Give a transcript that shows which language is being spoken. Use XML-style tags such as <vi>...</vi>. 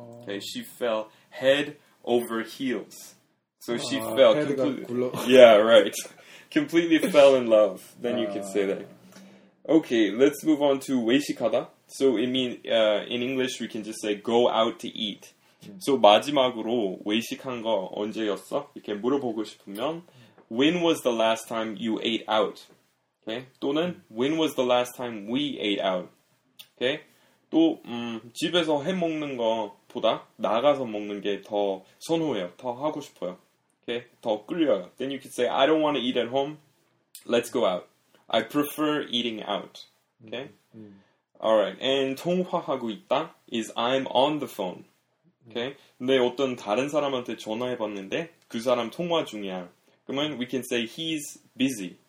<en>Okay, she fell head over heels. So she fell completely. Yeah, right. Completely fell in love. Then you can say that. Okay, let's move on to 외식하다. So it means in English we can just say go out to eat.</en> <ko>So 마지막으로 외식한 거 언제였어? 이렇게 물어보고 싶으면</ko> <en>when was the last time you ate out? Okay? 또는 when was the last time we ate out? Okay?</en> <ko>또 집에서 해 먹는 거보다 나가서 먹는 게 더 선호해요. 더 하고 싶어요. Okay? 더 끌려요.</ko> <en>Then you can say I don't want to eat at home. Let's go out. I prefer eating out. Okay? All right. And 통화하고 있다 is I'm on the phone. Okay?</en> <ko>근데 어떤 다른 사람한테 전화해 봤는데 그 사람 통화 중이야. 그러면</ko> <en>we can say he's busy.</en>